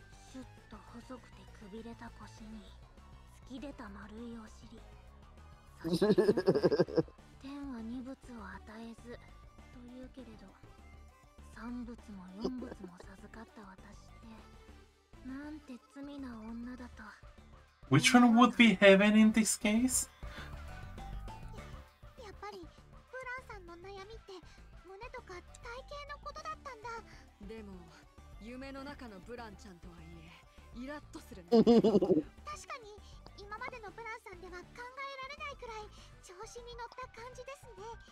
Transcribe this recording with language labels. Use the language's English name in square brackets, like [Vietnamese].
[Japanese] シュッと細くてくびれた腰に突き出た丸いお尻。天は二物を与えずというけれど、三物も四物も授かった私ってなんて罪な女だと。 [English] Which one would be heaven in this case? [Japanese] やっぱりブランさんの悩みって胸とか体型のことだったんだ。でも夢の中のブランちゃんとはいえイラッとするね。確かに今までのブランさんでは考えられないくらい調子に乗った感じですね。